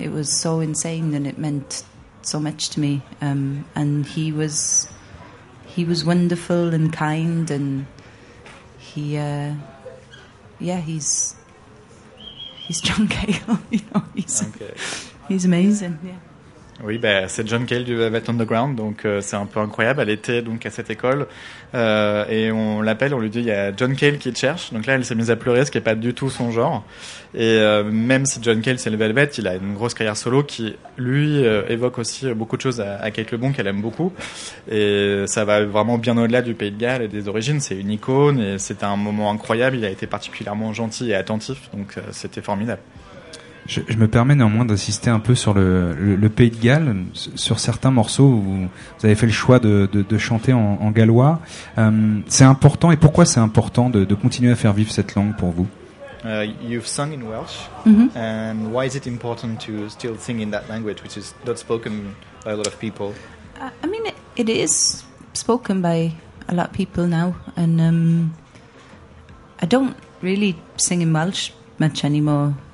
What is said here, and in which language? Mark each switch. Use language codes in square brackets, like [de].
[en] It was so insane, and it meant so much to me. And he was wonderful and kind, and he's John Cale. You know, he's amazing. Yeah. [fr] Oui, c'est John Cale du Velvet Underground, donc c'est un peu incroyable. Elle était donc à cette école, et on l'appelle, on lui dit il y a John Cale qui te cherche. Donc là, elle s'est mise à pleurer, ce qui n'est pas du tout son genre. Et même si John Cale, c'est le Velvet, il a une grosse carrière solo qui, lui, évoque aussi beaucoup de choses à Kate Le Bon, qu'elle aime beaucoup. Et ça va vraiment bien au-delà du Pays de Galles et des origines. C'est une icône et c'est un moment incroyable. Il a été particulièrement gentil et attentif, donc c'était formidable. Je me permets néanmoins d'insister un peu sur le Pays de Galles, sur certains morceaux où vous avez fait le choix de chanter en gallois. C'est important, et pourquoi c'est important de continuer à faire vivre cette langue pour vous? [en] You've sung in Welsh, and why is it important to still sing in that language, which is not spoken by a lot of people? I mean, it is spoken by a lot of people now, and I don't really sing in Welsh much anymore.